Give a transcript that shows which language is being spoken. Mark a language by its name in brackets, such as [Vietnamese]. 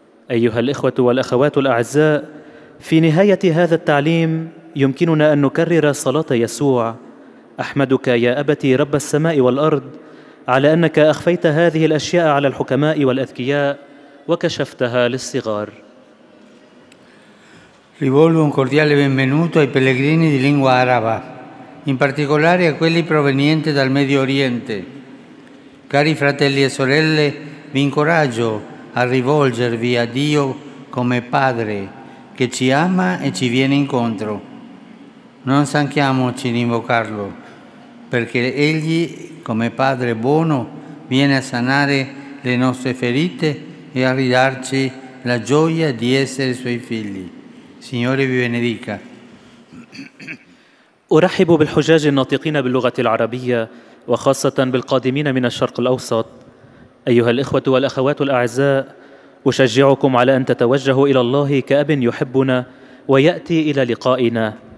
[Arabic] أيها الإخوة والأخوات الأعزاء، في نهاية هذا التعليم يمكننا أن نكرر صلاة يسوع: أحمدك يا أبتي رب السماء والأرض على أنك أخفيت هذه الأشياء على الحكماء والأذكياء وكشفتها للصغار. [Italian] Rivolgo un cordiale benvenuto ai pellegrini di lingua araba, in particolare a quelli provenienti dal Medio Oriente. Cari fratelli e sorelle, vi incoraggio a rivolgervi a Dio come Padre che ci ama e ci viene incontro. Non stanchiamoci di invocarlo, perché Egli, come Padre buono, viene a sanare le nostre ferite e a ridarci la gioia di essere Suoi figli. Signore vi benedica. [Arabic] أرحب بالحجاج الناطقين باللغة العربية وخاصة بالقادمين من الشرق الأوسط. أيها الإخوة والأخوات الأعزاء، أشجعكم على أن تتوجهوا إلى الله كأب يحبنا ويأتي إلى لقائنا.